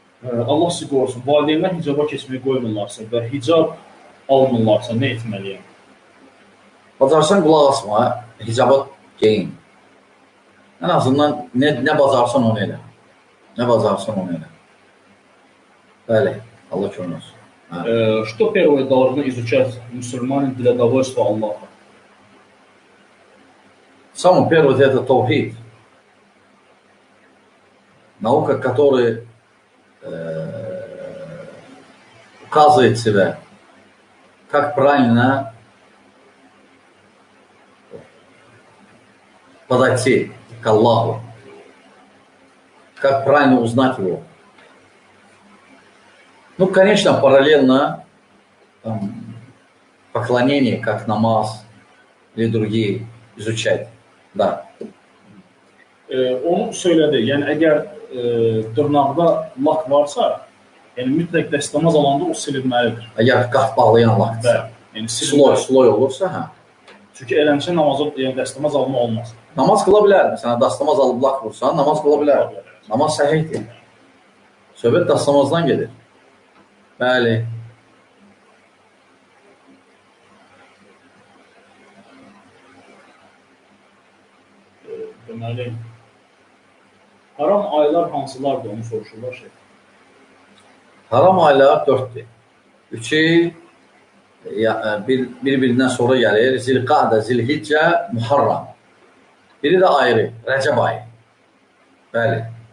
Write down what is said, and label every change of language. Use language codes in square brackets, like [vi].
[az] Allah sizi qorusun, valideynlər hicaba keçməyi qoymurlarsa və hicab almırlarsa nə etməliyəm? Bacarsan qulaq asma, hicaba geyin. Ən azından nə bacarsan onu elə. Nə bacarsan onu elə. Bəli, Allah görünür. [ru] Что первое должно изучать мусульманин для довольства Аллаха? Самое первое – это тавхид. Наука, которая указывает себя, как правильно подойти к Аллаху, как правильно узнать его. Ну, конечно, параллельно там, поклонение, как намаз или другие, изучать, да. [az] Он söyledi, yani eğer dırnağda lak varsa, yani mütləq dəstəmaz alanda o silinməlidir. Əgər qat bağlayan lakdırsa, yani siloy, siloy olursa, hə. Çünki eləmsə namazı, yani dəstəmaz alma olmaz. Namaz qıla bilər, məsələn, dəstəmaz alıb lak vursa, namaz qıla bilər. Namaz səhiyyidir. Söhbət dəstəmazdan gedir. Bəli. Deməli, haram aylar hansılardır, onu soruşurlar şey. Haram aylar dörddir. Üçü bir-birindən sonra gəlir. Zilqadə, Zilhiccə, Muharram. Biri də ayrı, Rəcəb ayı. Bəli.